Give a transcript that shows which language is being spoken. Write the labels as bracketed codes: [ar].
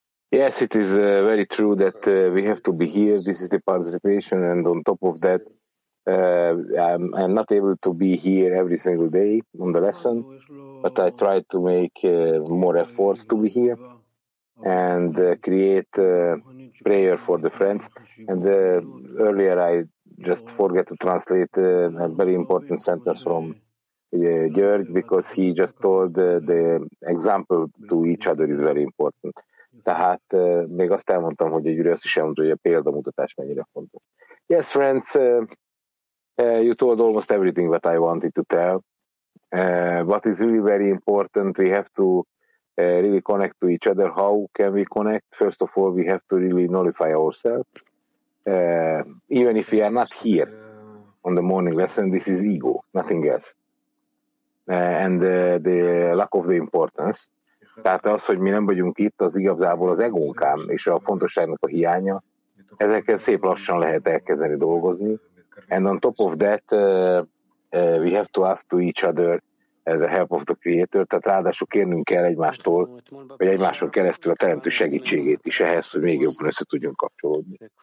[en] Yes, it is very true that we have to be here. This is the participation, and on top of that, I'm not able to be here every single day on the lesson, but I try to make more efforts to be here and create prayer for the friends. And earlier I just forget to translate a very important sentence from Georg, because he just told the example to each other is very important. [hu] Tehát még azt elmondtam, hogy a Gyuri azt is elmondta, hogy a példamutatás mennyire fontos. [en] Yes, friends, you told almost everything that I wanted to tell. What is really very important, we have to really connect to each other. How can we connect? First of all, we have to really nullify ourselves. Even if we are not here on the morning lesson, this is ego, nothing else. And the lack of the importance. [hu] Tehát az, hogy mi nem vagyunk itt, az igazából az egónkám és a fontosságnak a hiánya. Ezeket szép lassan lehet elkezdeni dolgozni. [en] And on top of that, we have to ask to each other the help of the creator. [hu] Tehát ráadásul kérnünk kell egymástól, vagy egymáson keresztül a teremtő segítségét is ehhez, hogy még jobban össze tudjunk kapcsolódni.